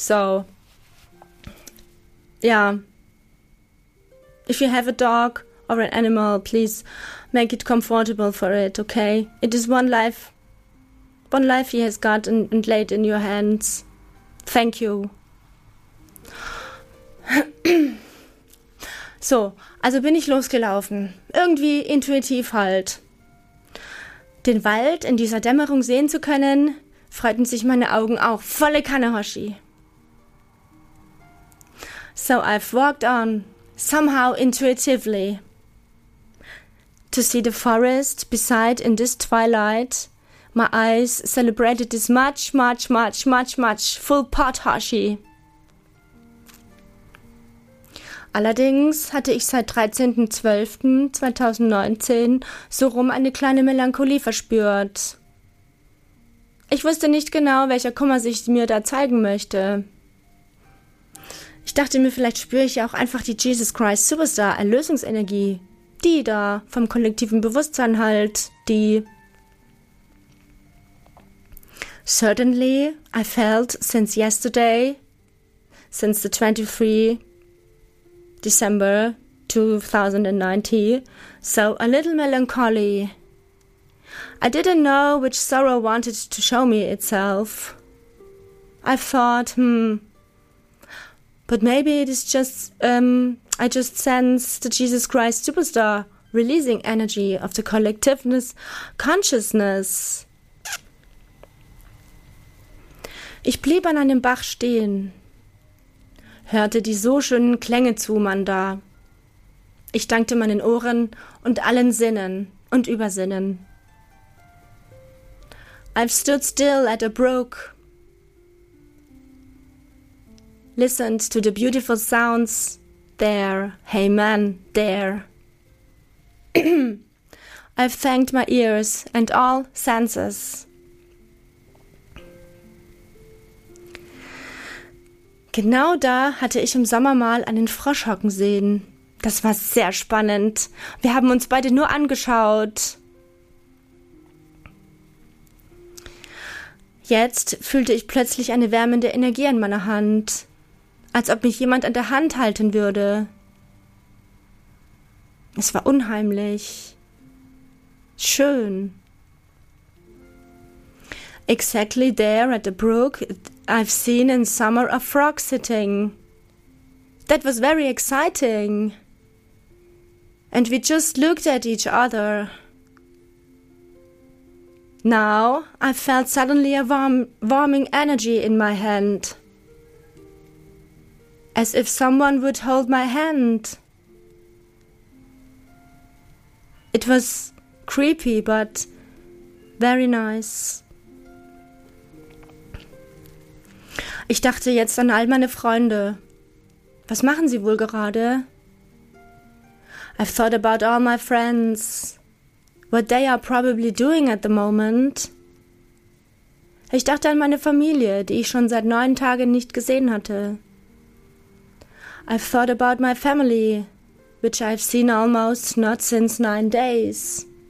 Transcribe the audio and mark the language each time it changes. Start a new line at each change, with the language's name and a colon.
English: So yeah, if you have a dog or an animal, please make it comfortable for it. Okay, it is one life he has got and laid in your hands. Thank you.
German: So, also bin ich losgelaufen. Irgendwie intuitiv halt. Den Wald in dieser Dämmerung sehen zu können, freuten sich meine Augen auch. Volle Kanahoshi.
English: So I've walked on, somehow intuitively. To see the forest beside in this twilight, my eyes celebrated this much, much, much, much, much full pothoshi.
German: Allerdings hatte ich seit 13.12.2019 so rum eine kleine Melancholie verspürt. Ich wusste nicht genau, welcher Kummer sich mir da zeigen möchte. Ich dachte mir, vielleicht spüre ich ja auch einfach die Jesus Christ Superstar Erlösungsenergie. Die da, vom kollektiven Bewusstsein halt, die...
English: Certainly, I felt since yesterday, since the 23 December 2019, so a little melancholy. I didn't know which sorrow wanted to show me itself. I thought, but maybe it is just, I just sense the Jesus Christ Superstar releasing energy of the collectiveness consciousness.
German: Ich blieb an einem Bach stehen, hörte die so schönen Klänge zu, man da. Ich dankte meinen Ohren und allen Sinnen und Übersinnen.
English: I've stood still at a brook, listened to the beautiful sounds there, hey man, there. I've thanked my ears and all senses.
German: Genau da hatte ich im Sommer mal einen Frosch hocken sehen. Das war sehr spannend. Wir haben uns beide nur angeschaut. Jetzt fühlte ich plötzlich eine wärmende Energie in meiner Hand. Als ob mich jemand an der Hand halten würde. Es war unheimlich. Schön.
English: Exactly there at the brook, I've seen in summer a frog sitting. That was very exciting. And we just looked at each other. Now I felt suddenly a warming energy in my hand. As if someone would hold my hand. It was creepy, but very nice.
German: Ich dachte jetzt an all meine Freunde. Was machen sie wohl gerade?
English: I've thought about all my friends. What they are probably doing at the moment.
German: Ich dachte an meine Familie, die ich schon seit 9 Tagen nicht gesehen hatte.
English: I've thought about my family, which I've seen almost not since 9 days.